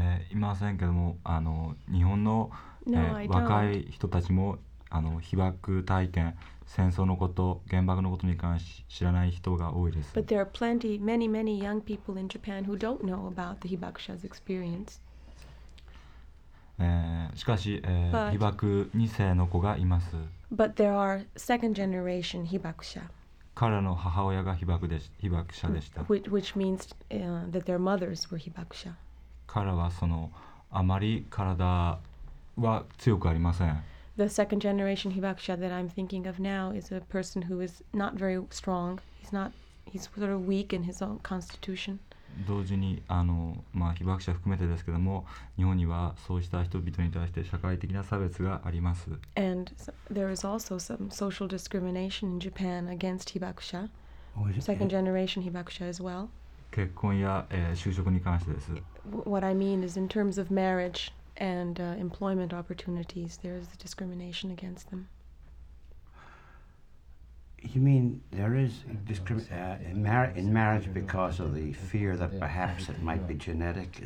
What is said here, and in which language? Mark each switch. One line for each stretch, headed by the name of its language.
Japanese: いませんけども、あの日本の、
English: no,
Japanese: 若い人たちもあの被爆体験、戦争のこと、原爆のことに関し知らない人が多いです。
English: But there are plenty, many, many young people in Japan who don't know about the Hibakusha's experience.
Japanese: しかし、被爆2世の子がいます。
English: But there are second generation Hibakusha.
Japanese: 彼らの母親が被爆者でした。
English: Which means, that their mothers were Hibakusha.
Japanese: 彼はそのあまり体は強くありません。
English: The second generation Hibakusha that I'm thinking of now is a person who is not very strong. He's sort of weak in his own constitution.
Japanese: 同時にあの、まあ、被爆者含めてですけども、日本にはそうした人々に対して社会的な差別があります。
English: And there is also some social discrimination in Japan against Hibakusha. Second generation Hibakusha as well.
Japanese: 結婚や、就職に関してです。
English: What I mean is in terms of marriage and employment opportunities, there is discrimination against them. You mean there is discrimination in marriage because of the fear that perhaps it might be genetic?